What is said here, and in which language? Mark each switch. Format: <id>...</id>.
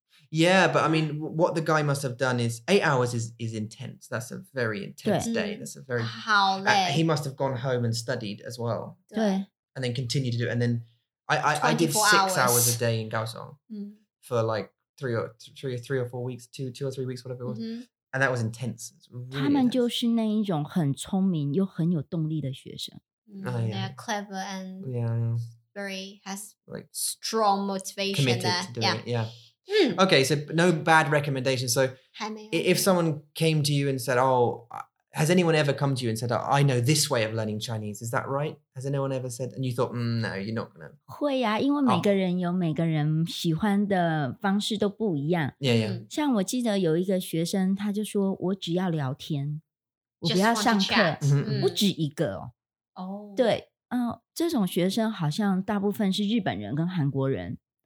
<en>Yeah, but I mean, what the guy must have done is 8 hours is intense. That's a very intense day. That's a very... How late. He must have gone home and studied as well.</en> <zh>对。</zh> <en>And then continued to do it. And then I did 6 hours a day in Kaohsiung for like three or four weeks, two or three weeks, whatever it was. Mm-hmm. And that was intense. It was really</en> <zh>他们就是那一种很聪明又很有动力的学生。</zh> <en>They're clever and very has like, strong motivation committed there. Committed to doing yeah. it, yeah. Okay, so no bad recommendations. So if someone came to you and said, oh, has anyone ever come to you and said, oh, I know this way of learning Chinese, is that right? Has anyone ever said, and you thought, no, you're not going to.</en> <zh>会啊，因为每个人有每个人喜欢的方式都不一样。</zh> <en>Yeah, yeah.</en> <zh>像我记得有一个学生，他就说我只要聊天，我不要上课，不止一个哦。</zh> <en>Oh.</en> <zh>对，这种学生好像大部分是日本人跟韩国人。</zh>